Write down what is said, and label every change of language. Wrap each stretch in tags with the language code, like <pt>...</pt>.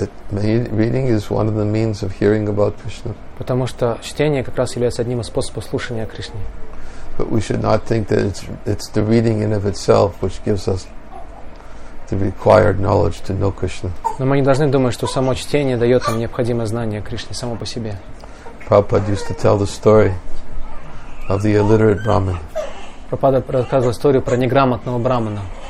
<en>Reading is one of the means of hearing about Krishna.</en> <ru>Потому что чтение как раз является одним из способов слушания о Кришне.</ru> <en>But we should not think that it's the reading in of itself which gives us the required knowledge to know Krishna.</en> <ru>Но мы не должны думать, что само чтение дает нам необходимое знание о Кришне само по себе.</ru> <en>Prabhupada used to tell the story of the illiterate Brahmin.</en> <ru>Прабхупада рассказывал историю про неграмотного брахмана.</ru>